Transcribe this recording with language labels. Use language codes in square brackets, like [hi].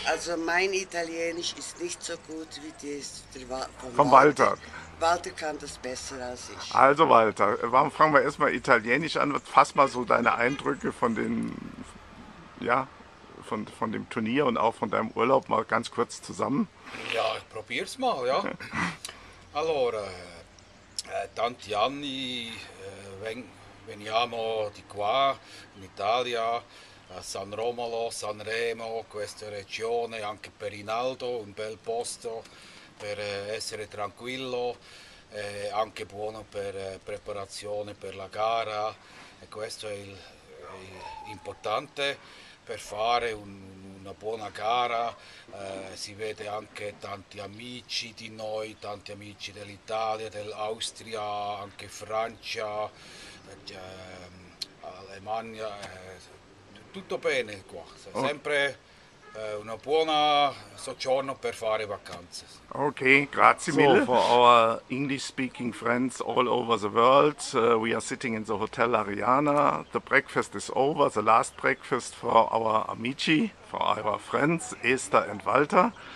[de] Also mein Italienisch ist nicht so gut wie das von Walter. Walter kann das besser als ich. Also Walter, warum fangen wir erstmal Italienisch an? Fass mal so deine Eindrücke von dem Turnier und auch von deinem Urlaub mal ganz kurz zusammen. Ja, ich probier's mal, ja. [it] Allora, tanti anni, veniamo di qua, in Italia, a San Romolo, San Remo, questa regione, anche per Rinaldo, un bel posto. Per essere tranquillo, anche buono per preparazione per la gara, e questo è l'importante per fare una buona gara. Si vede anche tanti amici di noi, tanti amici dell'Italia, dell'Austria, anche Francia, Germania, tutto bene qua, sempre Una buona soggiorno per fare vacanze. Okay, grazie mille. [en] So, for our English-speaking friends all over the world, we are sitting in the Hotel Ariana. The breakfast is over. The last breakfast for our amici, for our friends, Esther and Walter.